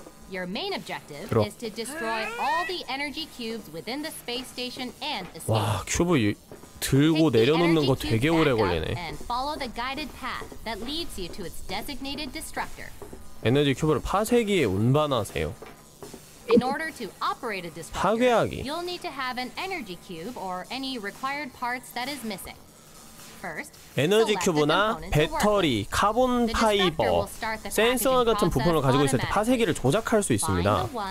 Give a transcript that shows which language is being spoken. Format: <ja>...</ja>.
<en>Your main objective is to destroy all the energy cubes within the space station and escape.</en> <ko>와, 큐브 들고 내려놓는 거 되게 오래 걸리네.</ko> <en>And follow the guided path that leads you to its designated destructor.</en> <ko>에너지 큐브를 파쇄기에 운반하세요.</ko> <en>In order to operate a disruptor, you'll need to have an energy cube or any required parts that is missing. First,</en> <ko>에너지 큐브나 배터리, 카본 파이버, 센서와 같은 부품을 가지고 있을 때 파쇄기를 조작할 수 있습니다.</ko>